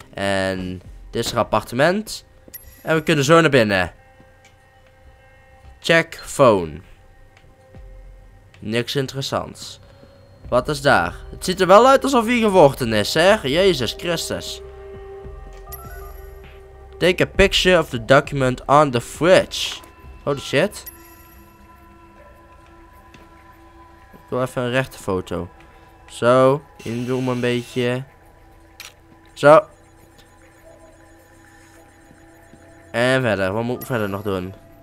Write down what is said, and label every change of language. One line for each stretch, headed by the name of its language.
Dutch: En dit is het appartement. En we kunnen zo naar binnen.
English: Check phone.
Dutch: Niks interessants. Wat is daar? Het ziet er wel uit alsof hier gevochten is, hè? Jezus Christus.
English: Take a picture of the document on the fridge. Holy shit.
Dutch: Ik wil even een rechte foto. Zo, inzoomen een beetje. Zo. En verder, wat moet ik verder nog doen?